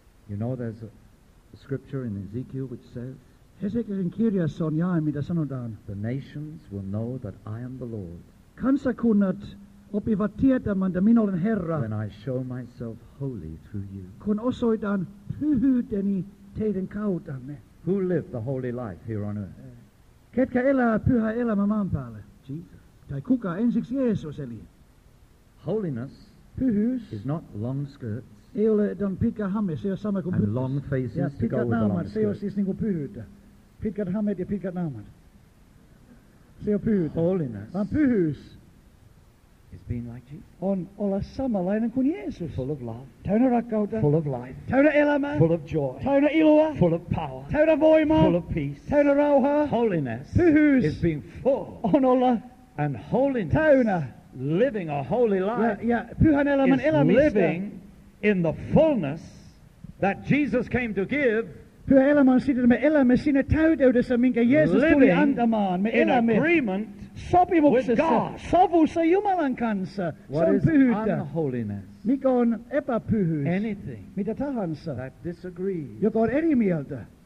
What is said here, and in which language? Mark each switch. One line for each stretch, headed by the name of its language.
English: You know there's a scripture in Ezekiel which says,
Finnish: Hesekielin kirjassa on jae, mitä sanotaan.
English: The nations will know that I am the Lord.
Finnish: Kansakunnat oppiva tietämään, että minä olen Herra.
English: When I show myself holy through you.
Finnish: Kun osoitan pyhyyteni teidän kauttanne.
English: Who lived the holy life here on earth?
Finnish: Ketkä elää pyhä elämä maan päällä?
English: Jesus.
Finnish: Tai kuka ensiksi Jeesus eli?
English: Holiness.
Finnish: Pyhyys.
English: Is not long skirt.
Finnish: Ei ole tämän pitkä hame, se on sama kuin pyhyys.
English: And long faces
Finnish: ja
English: to go with the long skirt.
Finnish: Se on siis niin kuin pyhyyttä. Pitkät hameet ja pitkät naamat. Se on pyhyyttä.
English: Holiness.
Finnish: Vaan pyhyys.
English: Is being like Jesus.
Finnish: On olla samanlainen kuin Jeesus.
English: Full of love.
Finnish: Täynnä rakkautta.
English: Full of life.
Finnish: Täynnä elämää.
English: Full of joy.
Finnish: Täynnä iloa.
English: Full of power.
Finnish: Täynnä voimaa.
English: Full of peace.
Finnish: Täynnä rauhaa.
English: Holiness.
Finnish: Pyhyys.
English: Is being full.
Finnish: On olla.
English: And holiness.
Finnish: Täynnä.
English: Living a holy life.
Finnish: Ja pyhän elämän elämistä.
English: Is living in the fullness that Jesus came to give.
Finnish: Pyhä elämä on siitä, että me elämme siinä täydeydessä, minkä Jeesus tuli antamaan. Me elämme
English: agreement
Finnish: sopimuksessa,
English: with God.
Finnish: Sovussa Jumalan kanssa.
English: What
Finnish: se on pyhyyttä.
English: Unholiness?
Finnish: Mikä on epäpyhyys?
English: Anything
Finnish: mitä tahansa.
English: That disagrees
Finnish: joka on eri mieltä.